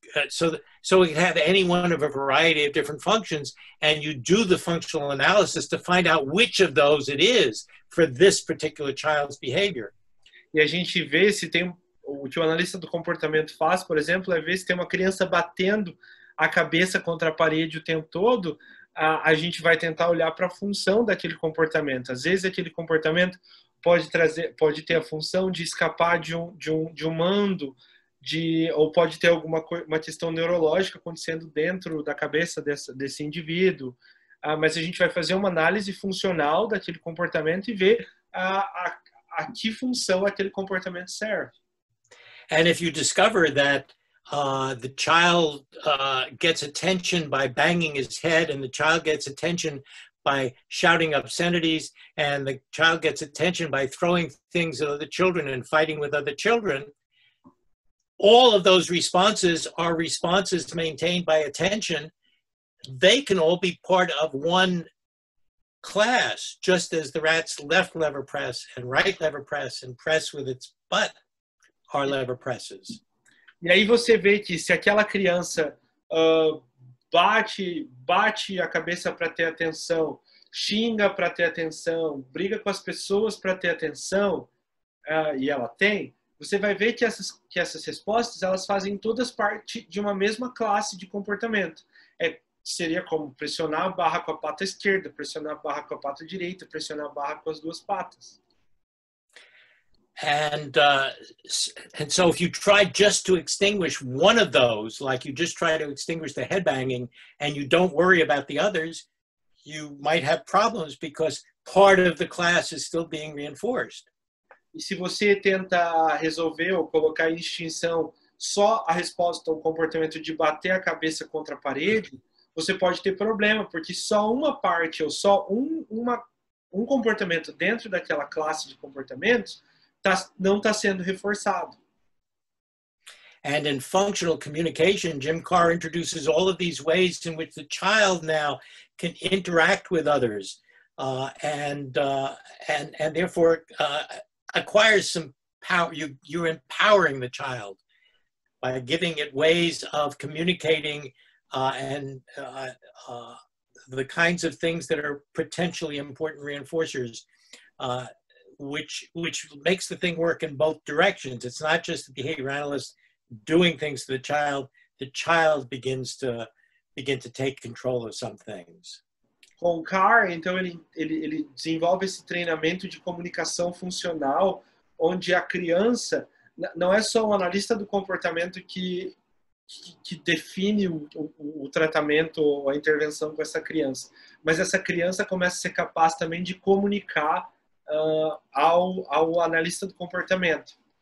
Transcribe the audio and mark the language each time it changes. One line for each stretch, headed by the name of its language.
English: So we can have any one of a variety of different functions, and you do the functional analysis to find out which of those it is for this particular child's behavior.
Portuguese: E a gente vê se tem, o que o analista do comportamento faz, por exemplo, é ver se tem uma criança batendo a cabeça contra a parede o tempo todo, a gente vai tentar olhar para a função daquele comportamento. Às vezes aquele comportamento pode ter a função de escapar de um mando, ou pode ter alguma questão neurológica acontecendo dentro da cabeça desse indivíduo. Mas a gente vai fazer uma análise funcional daquele comportamento e ver a que função aquele comportamento serve.
English: And if you discover that the child gets attention by banging his head, and the child gets attention by shouting obscenities, and the child gets attention by throwing things at other children and fighting with other children, all of those responses are responses maintained by attention, they can all be part of one class, just as the rat's left lever press and right lever press and press with its butt are lever presses.
Portuguese: E aí você vê que se aquela criança bate a cabeça para ter atenção, xinga para ter atenção, briga com as pessoas para ter atenção, e ela tem, você vai ver que essas respostas, elas fazem todas parte de uma mesma classe de comportamento. Seria como pressionar a barra com a pata esquerda, pressionar a barra com a pata direita, pressionar a barra com as duas patas.
English: And so if you try just to extinguish one of those, like you just try to extinguish the headbanging and you don't worry about the others, you might have problems because part of the class is still being reinforced.
Portuguese: E se você tenta resolver ou colocar em extinção só a resposta ao comportamento de bater a cabeça contra a parede, você pode ter problema, porque só uma parte ou só um comportamento dentro daquela classe de comportamentos não está sendo reforçado.
English: And in functional communication, Jim Carr introduces all of these ways in which the child now can interact with others and therefore acquires some power. You're empowering the child by giving it ways of communicating the kinds of things that are potentially important reinforcers, which makes the thing work in both directions. It's not just the behavior analyst doing things to the child begins to take control of some things.
Portuguese: Com Carr, então ele desenvolve esse treinamento de comunicação funcional, onde a criança não é só o analista do comportamento que define o tratamento ou a intervenção com essa criança, mas essa criança começa a ser capaz também de comunicar ao analista do comportamento.